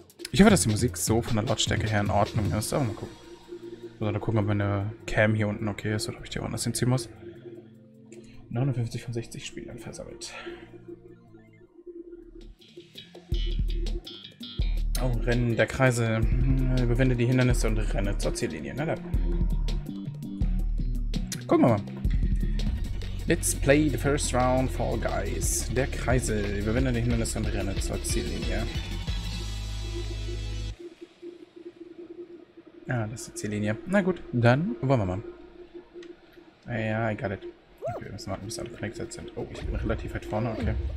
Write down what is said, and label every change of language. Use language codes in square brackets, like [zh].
[de] Ich hoffe, dass die Musik so von der Lautstärke her in Ordnung ist. Aber mal gucken. Also dann gucken, ob meine Cam hier unten okay ist oder ob ich die woanders hinziehen muss. 59 von 60 Spielern versammelt. Oh, Rennen der Kreise. Überwinde die Hindernisse und renne zur Ziellinie. Na dann. Gucken wir mal. [en] Let's play the first round for guys. [de] Der Kreise. Überwinde die Hindernisse und renne zur Ziellinie. Ah, das ist die Ziellinie. Na gut, dann wollen wir mal. Ja, [en] I got it. [de] Okay, wir müssen warten, bis alle connected sind. Oh, ich bin relativ weit vorne, okay.